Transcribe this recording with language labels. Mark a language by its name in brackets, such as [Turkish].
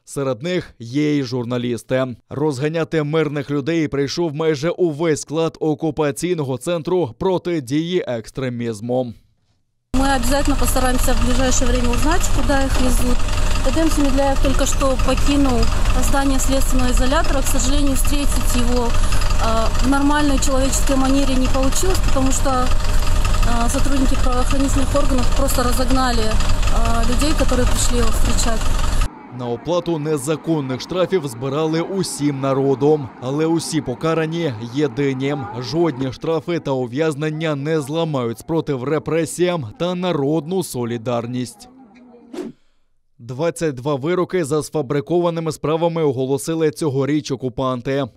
[Ukrainian] Серед них є й журналісти. Розганяти мирних людей прийшов майже увесь склад окупаційного центру протидії екстремізму. Ми обов'язково постараємося [Russian] в ближайшее время [Ukrainian] узнати, куди їх везуть. Едем Сімідляєв тільки що покинув [Russian] здание следственного изолятора. К сожалению, встретить [Ukrainian] його [Russian] в нормальной человеческой манере не получилось, потому что сотрудники правоохранительных органов просто разогнали людей, которые пришли его встречать. [Ukrainian] На оплату незаконних штрафів збирали усім народом. Але усі покарані єдині. Жодні штрафи та ув'язнення не зламають спротив репресіям та народну солідарність. 22 вироки за сфабрикованими справами оголосили цьогоріч окупанти.